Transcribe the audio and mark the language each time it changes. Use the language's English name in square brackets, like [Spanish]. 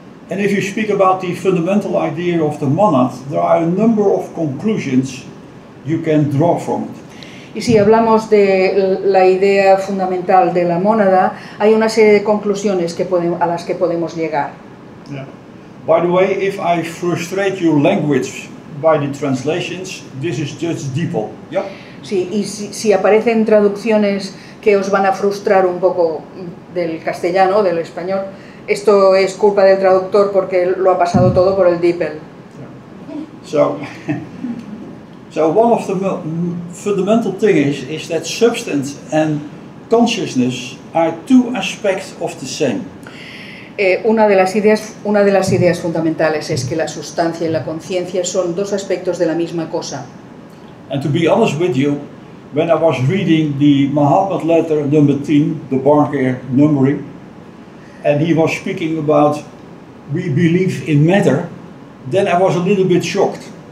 [English] And if you speak about the fundamental idea of the monad, there are a number of conclusions you can draw from it. [Spanish] Y si hablamos de la idea fundamental de la mónada, hay una serie de conclusiones a las que podemos llegar. [English] Yeah. By the way, if I frustrate your language by the translations, this is just Deeple. Yeah. [Spanish] Sí, y si aparecen traducciones que os van a frustrar un poco del castellano, del español, esto es culpa del traductor porque lo ha pasado todo por el Deeple. [English] So one of the fundamental things is that substance and consciousness are two aspects of the same. [Spanish] Una de las ideas fundamentales es que la sustancia y la conciencia son dos aspectos de la misma cosa. [English] And to be honest with you, when I was reading the Mahatma's letter number 10, the Barker numbering, and he was speaking about we believe in matter, then I was a little bit shocked.